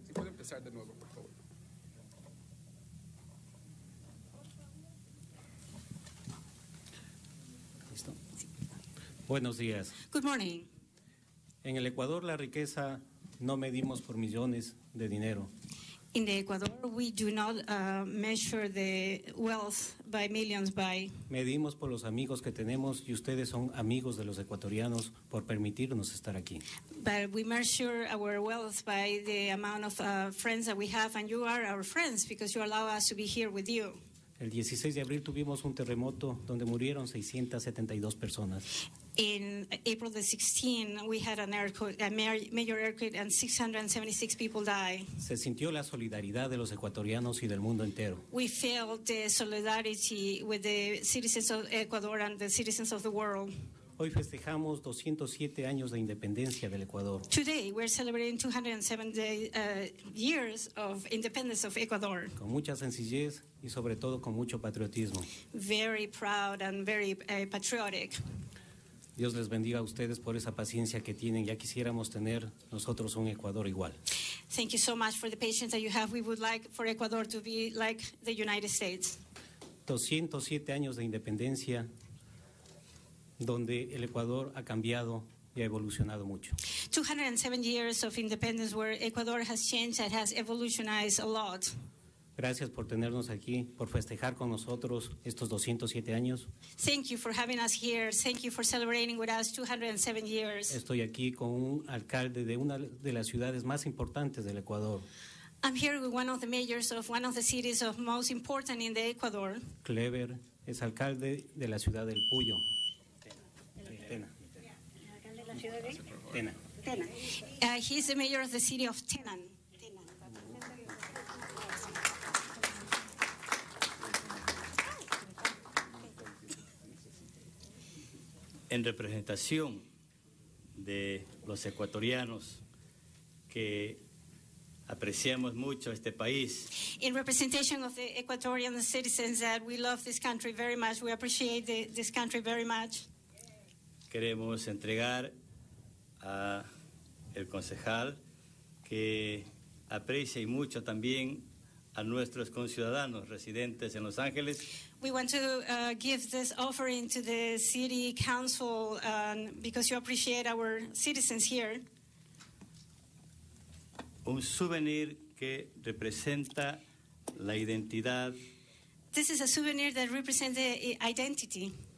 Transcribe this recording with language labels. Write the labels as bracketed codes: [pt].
[es] Si puede empezar de nuevo, por favor. Buenos días. [en] Good morning. [es] En el Ecuador la riqueza no medimos por millones de dinero. [en] In the Ecuador we do not measure the wealth by millions by. [es] Medimos por los amigos que tenemos y ustedes son amigos de los ecuatorianos por permitirnos estar aquí. [en] But we measure our wealth by the amount of friends that we have, and you are our friends because you allow us to be here with you. [es] El 16 de abril tuvimos un terremoto donde murieron 672 personas. [en] In April the 16th, we had an earthquake, a major earthquake, and 676 people died. [es] Se sintió la solidaridad de los ecuatorianos y del mundo entero. [en] We felt the solidarity with the citizens of Ecuador and the citizens of the world. [es] Hoy festejamos 207 años de independencia del Ecuador. [en] Today we're celebrating 207 years of independence of Ecuador. [es] Con mucha sencillez y sobre todo con mucho patriotismo. [en] Very proud and very patriotic. [es] Dios les bendiga a ustedes por esa paciencia que tienen. Ya quisiéramos tener nosotros un Ecuador igual. [en] Thank you so much for the patience that you have. We would like for Ecuador to be like the United States. [es] 207 años de independencia, donde el Ecuador ha cambiado y ha evolucionado mucho. [en] 207 years of independence where Ecuador has changed and has evolutionized a lot. [es] Gracias por tenernos aquí, por festejar con nosotros estos 207 años. [en] Thank you for having us here. Thank you for celebrating with us 207 years. [es] Estoy aquí con un alcalde de una de las ciudades más importantes del Ecuador. [en] I'm here with one of the mayors of one of the cities of most important in the Ecuador. [es] Clever es alcalde de la ciudad del Puyo. Tena. [en] He's the mayor of the city of Tenan. [es] En representación de los ecuatorianos que apreciamos mucho este país. [en] In representation of the Ecuadorian citizens that we love this country very much, we appreciate this country very much. [es] Queremos entregar a el concejal que aprecia y mucho también a nuestros conciudadanos residentes en Los Ángeles. [en] We want to give this offering to the city council because you appreciate our citizens here. [es] Un souvenir que representa la identidad. [en] This is a souvenir that represents the identity.